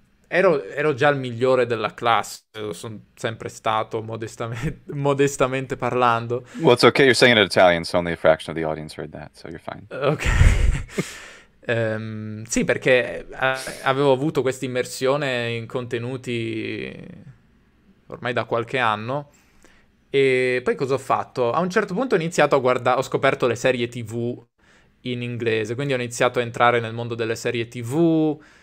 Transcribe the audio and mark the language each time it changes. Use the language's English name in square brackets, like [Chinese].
[Italian] Ero già il migliore della classe, sono sempre stato, modestamente parlando. [English] Well, it's okay, you're saying it in Italian, so only a fraction of the audience heard that, so you're fine. Ok. [Italian] sì, perché avevo avuto questa immersione in contenuti ormai da qualche anno. E poi cosa ho fatto? A un certo punto ho iniziato a guardare, ho scoperto le serie TV in inglese, quindi ho iniziato a entrare nel mondo delle serie TV.